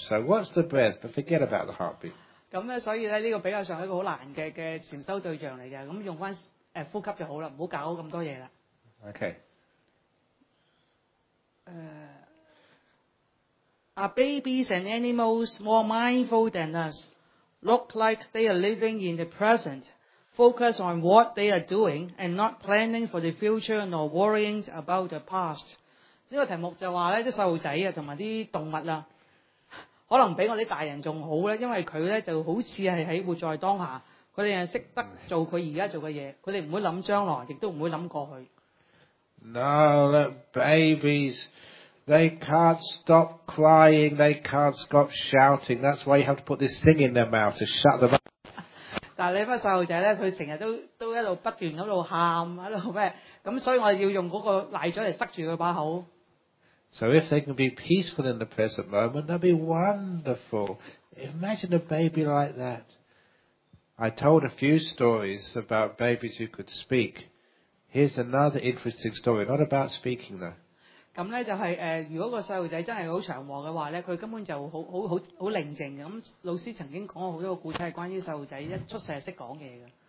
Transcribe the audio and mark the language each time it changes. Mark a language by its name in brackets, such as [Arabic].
[English] So watch the breath, but forget about the heartbeat. [Cantonese] 咁咧，所以咧，呢個比較上一個好難嘅禅修對象嚟嘅。咁用翻呼吸就好啦，唔好搞咁多嘢啦。 [English] Okay. Are babies and animals more mindful than us? Look like they are living in the present, focus on what they are doing, and not planning for the future nor worrying about the past. [Cantonese] 呢個題目就話咧，啲細路仔啊，同埋啲動物啦，可能比我啲大人仲好咧，因為佢咧就好似係喺活在當下，佢哋係識得做佢而家做嘅嘢，佢哋唔會諗將來，亦都唔會諗過去。 [English] No, look, babies. They can't stop crying. They can't stop shouting. That's why you have to put this thing in their mouth to shut them up. [Cantonese] 但係呢班細路仔咧，佢成日都一路不斷咁度喊，喺度咩？咁所以我要用嗰個奶嘴嚟塞住佢把口。 [English] So if they can be peaceful in the present moment, that'd be wonderful. Imagine a baby like that. I told a few stories about babies who could speak. Here's another interesting story, not about speaking though. [Cantonese] 咁咧就係、如果個細路仔真係好祥和嘅話咧，佢根本就好寧靜嘅。咁老師曾經講過好多個故事係關於細路仔一出世識講嘢嘅。